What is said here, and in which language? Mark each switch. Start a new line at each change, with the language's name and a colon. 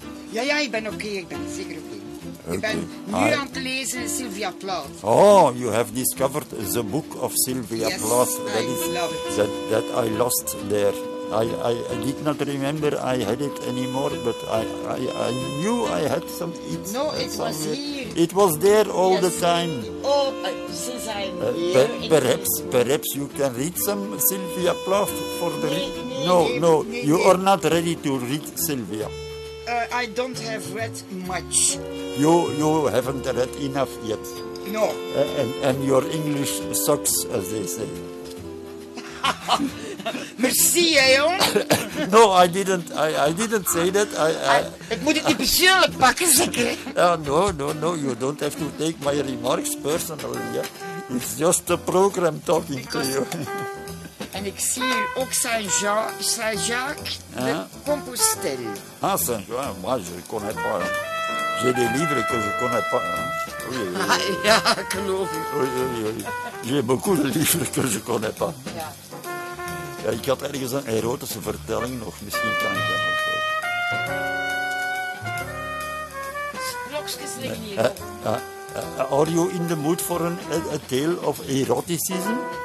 Dutch: Ja, ja, ik ben oké, ik ben zeker oké. Ik ben nu aan te lezen Sylvia Plath.
English: Oh, you have discovered the book of Sylvia Plath. Yes, I love it. That I lost there. I did not remember I had it anymore, but I knew I had some. It was somewhere here. It was there all the time. Since I'm here. Perhaps you can read some Sylvia Plath for the. No, you are not ready to read Sylvia. I don't have read much. You haven't read enough yet. No. And your English sucks, as they say.
Dutch: Merci, hè, jong.
English: No, I didn't. I didn't say that.
Dutch: Ik moet het niet persoonlijk pakken, zeker.
English: No. You don't have to take my remarks personally. Yeah? It's just the program talking to you.
Dutch: En ik zie hier ook Saint-Jacques de Compostelle.
French: Ah, Saint-Jacques. Moi, je ne connais pas. J'ai des livres que je ne connais pas. Hein. Oui, oui.
Dutch: Ja, geloof ik.
French: Oui. J'ai beaucoup de livres que je ne connais pas.
Dutch: Ja. Ja, ik had ergens een erotische vertelling nog, misschien kan ik dat nog voor. Sprokjes liggen hier.
English: Are you in the mood for a tale of eroticism?